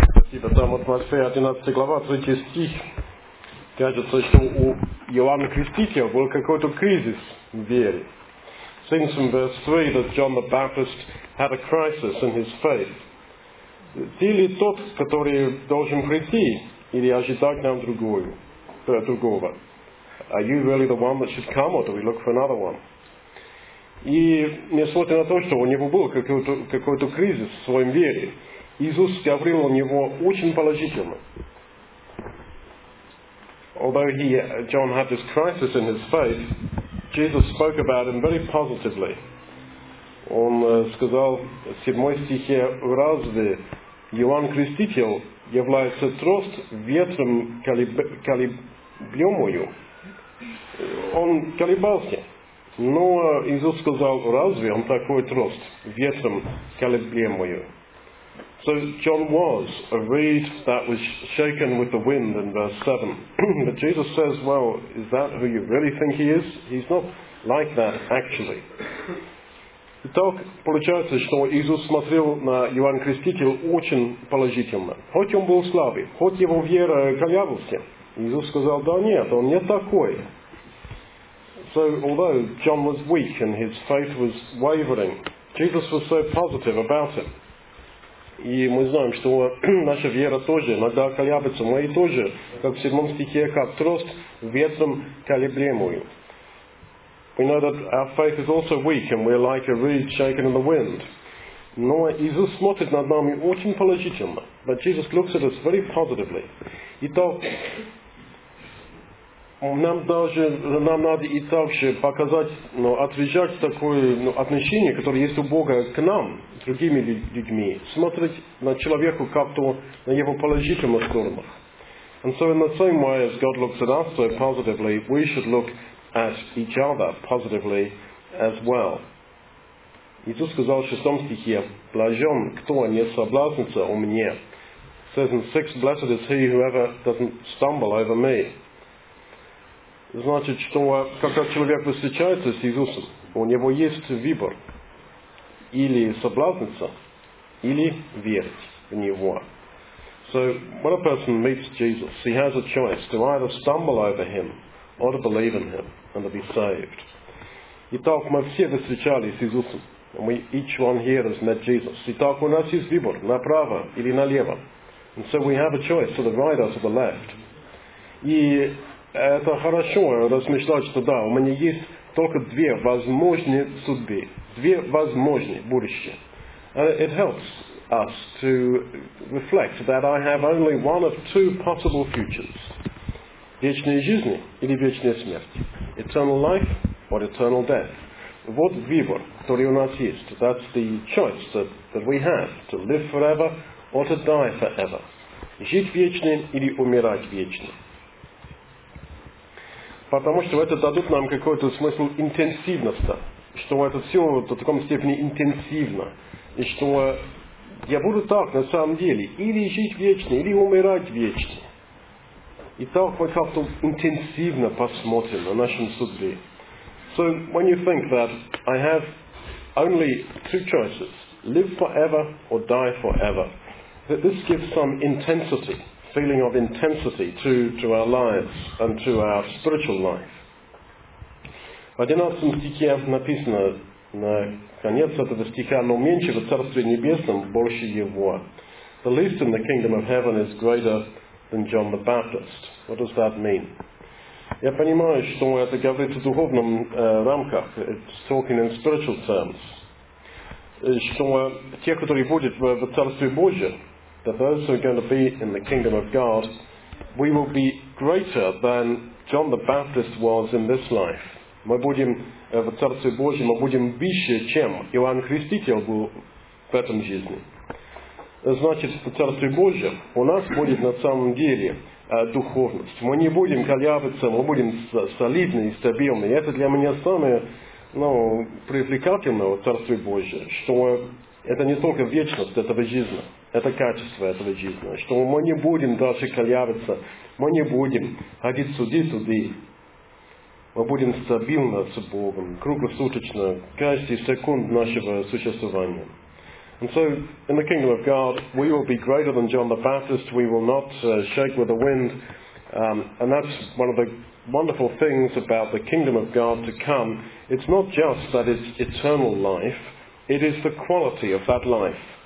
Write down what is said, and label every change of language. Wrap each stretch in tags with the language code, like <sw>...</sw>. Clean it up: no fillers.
<ru>Спасибо. Там вот Матфея 11 глава, 3 стих. Кажется, что у Иоанна Крестителя был какой-то кризис в вере.</ru> <en>Seems from verse 3 that John the Baptist had a crisis in his faith.</en> <ru>ты ли тот, который должен прийти, или ожидать нам другого?</ru> <en>Are you really the one that should come, or do we look for another one?</en> <ru>И несмотря на то, что у него был какой-то кризис в своем вере, Иисус говорил о него очень положительно.</ru> <en>Although John had this crisis in his faith, Jesus spoke about him very positively.</en> <ru>Он сказал в 7 стихе, «Разве Иоанн Креститель является трост ветром колеблемою?» Он колебался, но Иисус сказал, «Разве он такой трост ветром колеблемою?»</ru> <en>So John was a reed that was shaken with the wind in verse 7. But Jesus says, well, is that who you really think he is? He's not like that, actually.</en> <ru>Итак, получается, что Иисус смотрел на Иоанн Креститель очень положительно. Хоть он был слабый, хоть его вера колебалась, Иисус сказал, да нет, он не такой.</ru> <en>So although John was weak and his faith was wavering, Jesus was so positive about him.</en> <ru>И мы знаем, что наша вера тоже иногда колеблется, мы тоже, как в 7 стихе, как трост ветром колеблемую.</ru> <en>We know that our faith is also weak and we're like a reed shaken in the wind.</en> <ru>Но Иисус смотрит над нами очень положительно.</ru> <en>But Jesus looks at us very positively.</en> <ru>Итак, нам надо и также показать, отвечать такое отношение, которое есть у Бога к нам, другими людьми, смотреть на человека как-то на его положительных сторонах.</ru> <en>And so in the same way as God looks at us so positively, we should look at each other positively as well.</en> <ru>Иисус сказал в 6 стихе, «Блажен, кто не соблазнится о мне».</ru> <en>It says in 6, «Blessed is he whoever doesn't stumble over me».</en> <ru>Значит, что когда человек встречается с Иисусом, у него есть выбор. Или соблазниться, или верить в Него.</ru> <en>So, when a person meets Jesus, he has a choice to either stumble over Him or to believe in Him and to be saved.</en> <ru>Итак, мы все встречались с Иисусом.</ru> <en>We, each one here has met Jesus.</en> <ru>Итак, у нас есть выбор, направо или налево.</ru> <en>And so we have a choice, to the right or to the left.</en> <ru>И это хорошо размышлять, что да, у меня есть только две возможные судьбы, две возможные будущие.</ru> <en>It helps us to reflect that I have only one of two possible futures.</en> <ru>Вечная жизнь или вечная смерть.</ru> <en>Eternal life or eternal death.</en> <ru>Вот выбор, который у нас есть.</ru> <en>That's the choice that we have, to live forever or to die forever.</en> <ru>Жить вечно или умирать вечно. Потому что это дадут нам какой-то смысл интенсивности, что это все в таком степени интенсивно, и что я буду так на самом деле, или жить вечно, или умирать вечно. И так мы как-то интенсивно посмотрим на нашем судьбе.</ru> <en>So when you think that I have only two choices, live forever or die forever, that this gives some intensity. Feeling of intensity to our lives and to our spiritual life. В 11 стихе написано на конец этого стиха, но меньше в Царстве Небесном больше его. The least in the kingdom of heaven is greater than John the Baptist. What does that mean?</en> <ru>Я понимаю, что это говорит о духовном рамках.</ru> <en>It's talking in spiritual terms.</en> <ru>Что те, которые будут в Царстве Божьем,</ru> <en>that those who are going to be in the kingdom of God, we will be greater than John the Baptist was in this life.</en> <ru>Мы будем в Царстве Божьем, мы будем выше, чем Иоанн Креститель был в этом жизни. Значит, в Царстве Божьем у нас будет на самом деле духовность. Мы не будем колебаться, мы будем солидны и стабильны. И это для меня самое привлекательное в Царстве Божьем, что это не только вечность этого жизни. Это качество этого жизни, что мы не будем дальше колебаться, мы не будем ходить суди-суди. Мы будем стабильно с Богом, круглосуточно, каждый секунд нашего существования.</ru> <en>And so, in the kingdom of God, we will be greater than John the Baptist, we will not shake with the wind. And that's one of the wonderful things about the kingdom of God to come. It's not just that it's eternal life, it is the quality of that life.</en>